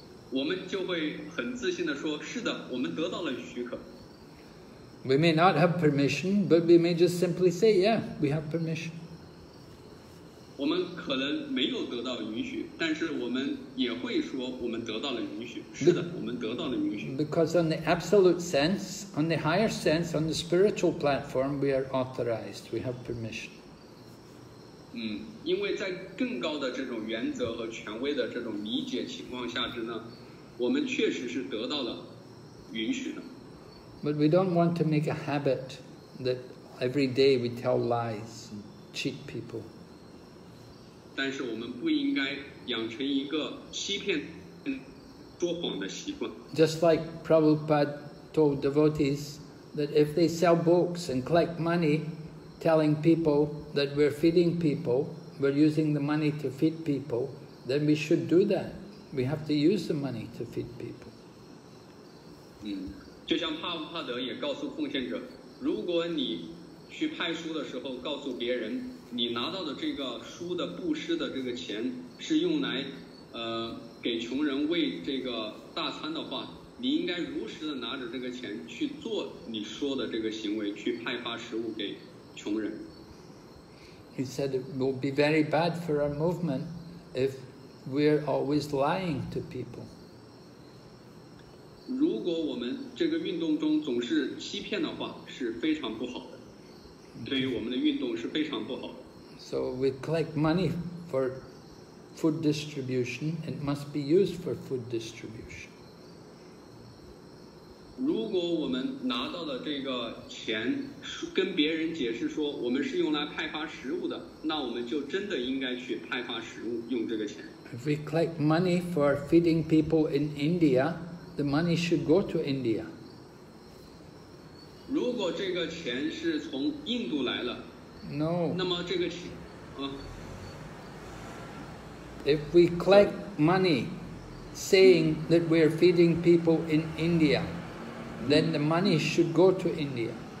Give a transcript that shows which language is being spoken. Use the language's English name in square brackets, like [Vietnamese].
[Chinese] 我们就会很自信地说，是的，我们得到了许可。 [English] We may not have permission, but we may just simply say, yeah, we have permission. [Chinese] 我们可能没有得到允许，但是我们也会说我们得到了允许。是的，我们得到了允许。 [English] Because on the absolute sense, on the higher sense, on the spiritual platform, we are authorized, we have permission. [Chinese] 嗯，因为在更高的这种原则和权威的这种理解情况下之呢，我们确实是得到了允许的。 [English] But we don't want to make a habit that every day we tell lies and cheat people. [Chinese] 但是我们不应该养成一个欺骗、说谎的习惯。 [English] Just like Prabhupada told devotees that if they sell books and collect money, telling people that we're feeding people, we're using the money to feed people, then we should do that. We have to use the money to feed people. [Chinese] 嗯，就像帕布帕德也告诉奉献者，如果你去派书的时候告诉别人。你拿到的这个书的布施的这个钱是用来，给穷人喂这个大餐的话，你应该如实的拿着这个钱去做你说的这个行为，去派发食物给穷人。 [English] He said it will be very bad for our movement if we're always lying to people. [Chinese] 如果我们这个运动中总是欺骗的话，是非常不好的。对于我们的运动是非常不好的。 [English] So we collect money for food distribution. It must be used for food distribution. [Chinese] 如果我们拿到了这个钱，跟别人解释说我们是用来派发食物的，那我们就真的应该去派发食物，用这个钱。 [English] If we collect money for feeding people in India, the money should go to India. [Chinese] 如果这个钱是从印度来了。 [English] No. [Chinese] 那么这个钱， [English] If we collect money, saying that we are feeding people in India, then the money should go to India.